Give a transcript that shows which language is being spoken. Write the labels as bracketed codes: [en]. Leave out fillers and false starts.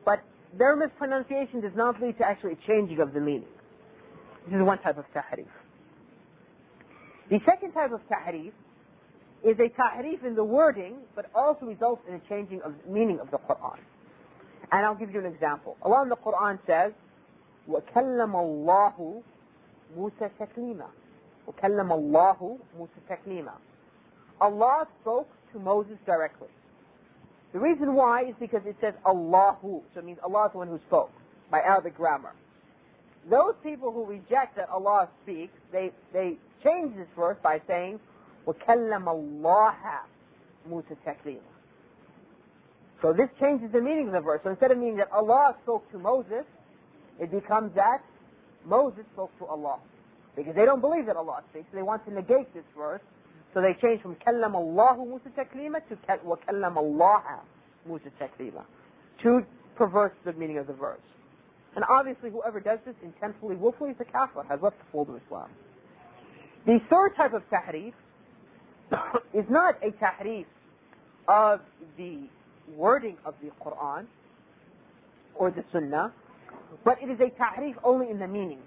[en] But their mispronunciation does not lead to actually a changing of the meaning. This is one type of tahrif. The second type of tahrif is a tahrif in the wording, but also results in a changing of meaning of the Quran. And I'll give you an example. Allah in the Quran says, [ar] وَكَلَّمَ اللَّهُ مُوسَى تَكْلِيمًا وَكَلَّمَ اللَّهُ مُوسَى تَكْلِيمًا. [en] Allah spoke to Moses directly. The reason why is because it says Allahu, so it means Allah is the one who spoke, by Arabic grammar. Those people who reject that Allah speaks, they change this verse by saying, [ar] وَكَلَّمَ اللَّهَ مُوسَى تَكْلِيمًا. [en] So this changes the meaning of the verse. So instead of meaning that Allah spoke to Moses, it becomes that Moses spoke to Allah. Because they don't believe that Allah speaks. They want to negate this verse So they changed from [ar] كلم الله موسى تكليما to وكلم الله موسى تكليما. [en] Two perverse the meaning of the verse. And obviously whoever does this intentionally, willfully, is a kafir, has left the fold of Islam. The third type of tahrif is not a tahrif of the wording of the Quran or the Sunnah, but it is a tahrif only in the meaning.